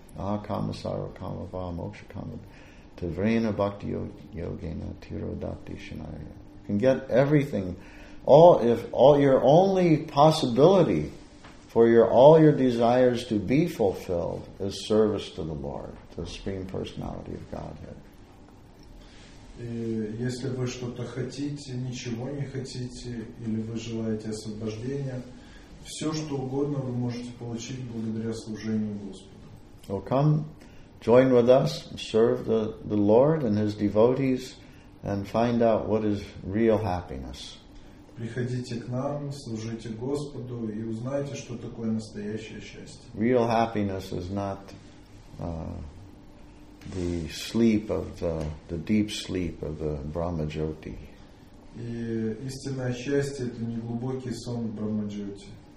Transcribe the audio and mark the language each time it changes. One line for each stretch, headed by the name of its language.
Sanskrit: Akama sarvakama va moksha kama tivrena bhakti yogena tirodati shinaya.
English: You can get everything. If your only possibility for all your desires to be fulfilled is service to the Lord, the Supreme Personality of Godhead.
Russian: Если вы что-то хотите, ничего не хотите, или вы желаете освобождения, все что угодно вы можете получить благодаря служению Господу.
English: So come, join with us, serve the Lord and His devotees, and find out what is real happiness.
Russian: Приходите к нам, служите Господу и узнайте, что такое настоящее счастье.
English: Real happiness is not the sleep of the deep sleep of the Brahma Jyoti.
Russian: И истинное счастье — это не глубокий сон Брахма Джоти.